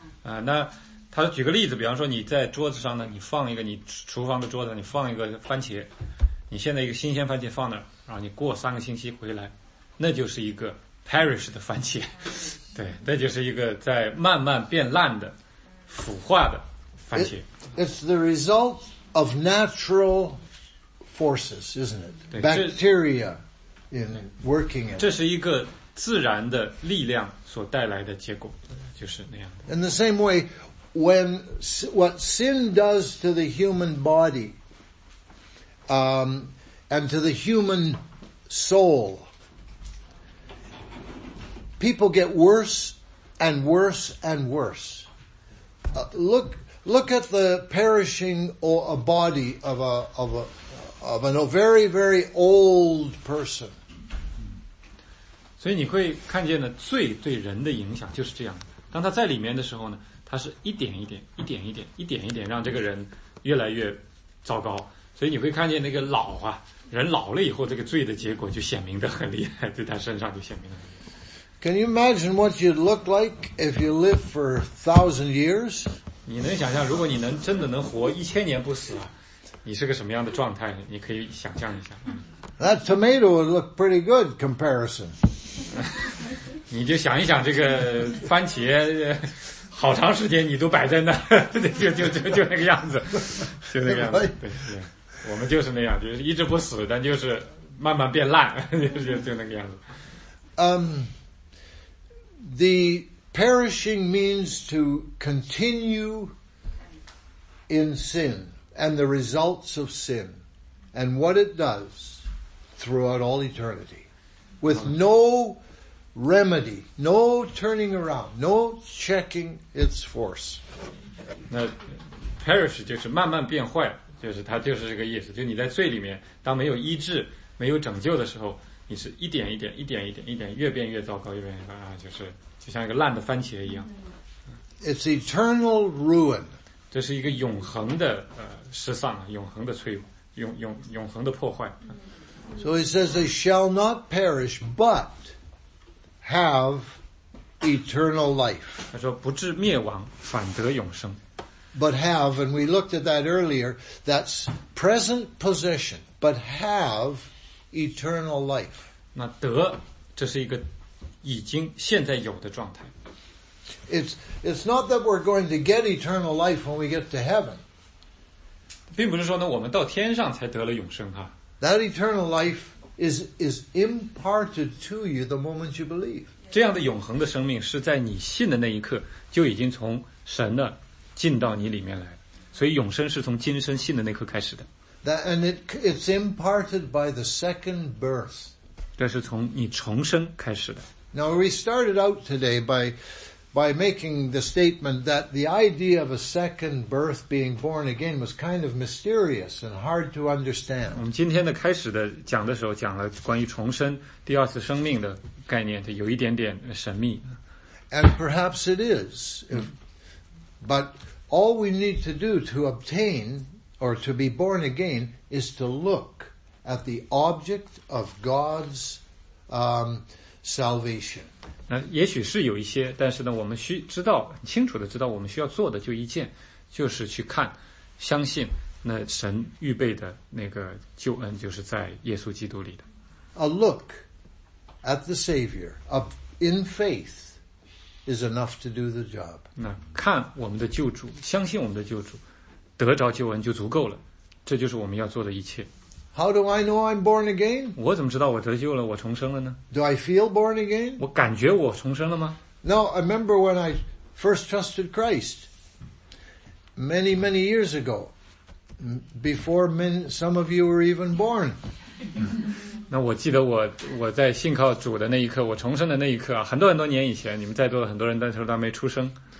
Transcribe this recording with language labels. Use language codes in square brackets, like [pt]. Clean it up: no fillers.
[zh] 那他举个例子，比方说你在桌子上呢，你放一个，你厨房的桌子你放一个番茄，你现在一个新鲜番茄放那儿，然后你过三个星期回来，那就是一个 perish 的番茄。对，那就是一个在慢慢变烂的、腐化的番茄。 [en] It's the result of natural forces, isn't it? Bacteria in working it. [zh] 这是一个自然的力量所带来的结果，就是那样的。 [en] In the same way, when what sin does to the human body, and to the human soul. People get worse and worse and worse. Look at the perishing or a body of a very, very old person. [zh] 所以你会看见呢，罪对人的影响就是这样。当他在里面的时候呢，他是一点一点、一点一点、一点一点让这个人越来越糟糕。所以你会看见那个老啊，人老了以后，这个罪的结果就显明得很厉害，在他身上就显明了。 [en] Can you imagine what you'd look like if you lived for 1,000 years? [zh] 你能想象，如果你能真的能活一千年不死啊，你是个什么样的状态？你可以想象一下。 [en] That tomato would look pretty good comparison. [zh] 你就想一想这个番茄，好长时间你都摆在那，就那个样子，就那个样子。对，我们就是那样，就是一直不死，但就是慢慢变烂，就那个样子。 [en] The perishing means to continue in sin and the results of sin and what it does throughout all eternity with no remedy, no turning around, no checking its force. [zh] 那 perish 就是慢慢变坏，就是它就是这个意思，就你在罪里面当没有医治没有拯救的时候，你是一点一点一点一点一点越变越糟糕，越变越糟糕，就是就像一个烂的番茄一样。 [en] It's eternal ruin. [zh] 这是一个永恒的失丧，永恒的摧毁，永恒的破坏。 [en] So he says they shall not perish, but have eternal life. [zh] 他说不至灭亡，反得永生。 [en] But have, and we looked at that earlier. That's present possession, but have eternal life. [zh] 那得，这是一个。已经现在有的状态。 [en] It's not that we're going to get eternal life when we get to heaven. [zh] 并不是说呢我们到天上才得了永生哈。 [en] That eternal life is imparted to you the moment you believe. [zh] 这样的永恒的生命是在你信的那一刻就已经从神的进到你里面来。所以永生是从今生信的那刻开始的。 [en] That, and it's imparted by the second birth. [zh] 这是从你重生开始的。 [en] Now we started out today by making the statement that the idea of a second birth being born again was kind of mysterious and hard to understand. [zh] 我们今天的开始的讲的时候讲了关于重生第二次生命的概念它有一点点神秘。 [en] And perhaps it is. If, but all we need to do to obtain or to be born again is to look at the object of God's, salvation. [zh] 那也许是有一些但是呢我们需知道清楚的知道我们需要做的就一件就是去看相信那神预备的那个救恩就是在耶稣基督里的。 [en] A look at the Savior in faith is enough to do the job. [zh] 那看我们的救主相信我们的救主得着救恩就足够了这就是我们要做的一切。 [en] How do I know I'm born again? [zh] 我怎么知道我得救了，我重生了呢？ [en] Do I feel born again? [zh] 我感觉我重生了吗？ [en] No, I remember when I first trusted Christ many, many years ago, before some of you were even born. [zh] 那我记得我在信靠主的那一刻，我重生的那一刻啊，很多很多年以前，你们在座的很多人那时候都没出生。